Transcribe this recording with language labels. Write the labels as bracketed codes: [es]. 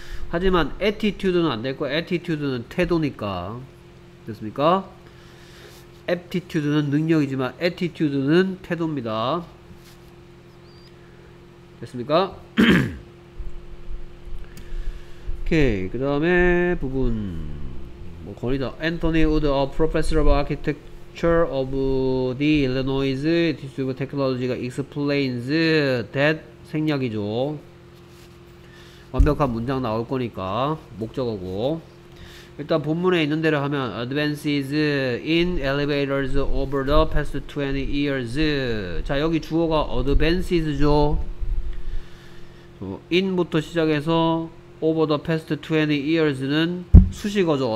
[ko] 하지만 attitude는 안 될 거. attitude는 태도니까. 됐습니까? aptitude는 능력이지만 attitude는 태도입니다. 됐습니까? 오케이. 그다음에 부분 뭐 거리다. [en] Anthony Wood, a professor of architecture of the Illinois Institute of Technology가 explains that [ko] 생략이죠. 완벽한 문장 나올 거니까 목적어고 일단 본문에 있는 대로 하면 [en] advances in elevators over the past 20 years. [ko] 자, 여기 주어가 advances죠. in부터 시작해서 over the past 20 years는 수식어죠.